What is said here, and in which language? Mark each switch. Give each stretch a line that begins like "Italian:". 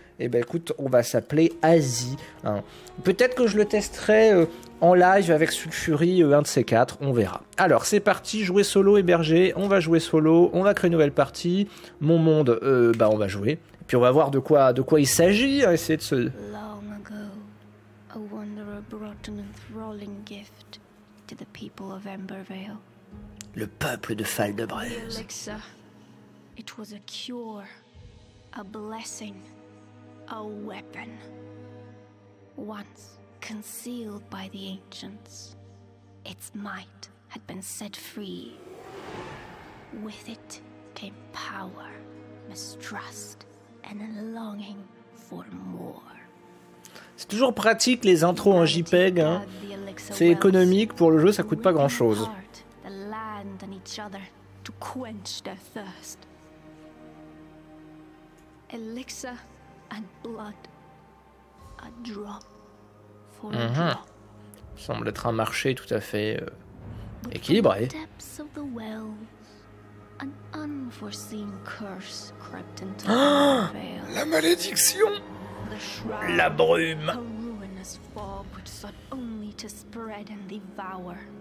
French: Eh ben écoute, on va s'appeler Azzy. Hein. Peut-être que je le testerai en live avec Sulfury, un de ces quatre, on verra. Alors, c'est parti, jouer solo, héberger, on va jouer solo, on va créer une nouvelle partie. Mon monde, on va jouer. Et puis on va voir de quoi il s'agit, hein, essayer de se...
English: Long ago, a wanderer brought an enthralling gift to the people of Embervale.
French: Le peuple de Faldebraise.
English: It was a cure, a blessing. A weapon, once concealed by the ancients, its might had been set free. With it came power, mistrust, and a longing for more.
French: C'est toujours pratique les intros en JPEG, hein. C'est économique pour le jeu, ça coûte pas grand chose.
English: The land and each other to quench their thirst. Elixir. And blood, a drop for a drop.
French: Semble être un marché tout à fait équilibré.
English: But from the depths of the wells, an unforeseen curse crept into the veil.
French: La malédiction,
English: the shroud,
French: la brume,
English: a ruinous fog which sought only to spread and devour.